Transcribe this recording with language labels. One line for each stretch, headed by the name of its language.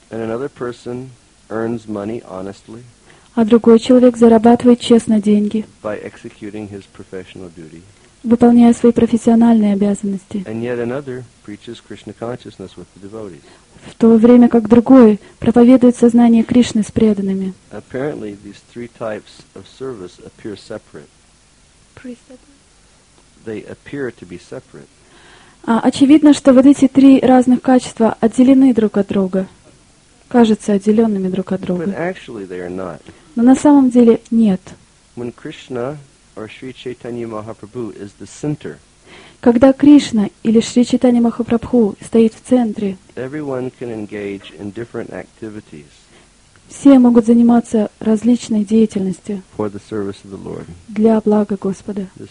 English: And another person earns money honestly.
Russian: А другой человек зарабатывает честно деньги.
English: By executing his professional duty.
Russian: Выполняя свои профессиональные обязанности.
English: And yet another preaches Krishna consciousness with the devotees.
Russian: В то время как другой проповедует сознание Кришны с преданными.
English: Apparently these three types of service appear separate. They appear to be separate.
Russian: Очевидно, что вот эти три разных качества отделены друг от друга. Кажутся отделенными друг от друга.
English: But actually they are not.
Russian: Но на самом деле нет.
English: When Krishna or Sri Chaitanya Mahaprabhu is the center,
Russian: когда Кришна или Шри Чайтанья Махапрабху стоит в центре,
English: everyone can engage in different activities.
Russian: Все могут заниматься различной деятельностью для блага Господа.